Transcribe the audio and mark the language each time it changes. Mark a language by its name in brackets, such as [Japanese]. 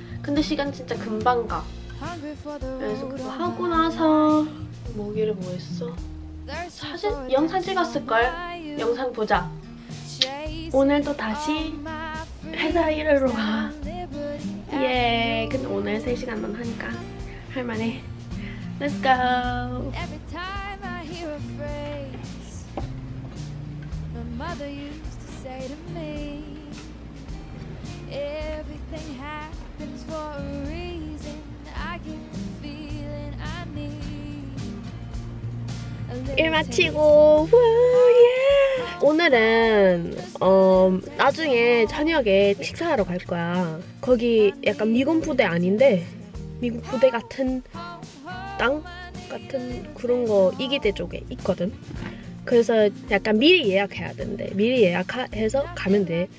[Korean] 근데 시간 진짜 금방 가. 그래서 그거 하고 나서 목요일에 뭐 했어? 사진? 영상 찍었을걸? 영상 보자. 오늘도 다시 회사 일하러 가. 예. 근데 오늘 3시간만 하니까 할만해. [English] Let's go. Every time I hear a phrase my mother used to say to me everything happens for a reason I keep feeling I need [Korean] 일 마치고 [English] yeah. [Korean] 오늘은 나중에 저녁에 식사하러 갈 거야. 거기 약간 미군 부대 아닌데 미국 부대 같은 땅 같은 그런 거 이기대 쪽에 있거든. 그래서 약간 미리 예약해야 되는데 미리 예약해서 가면 돼.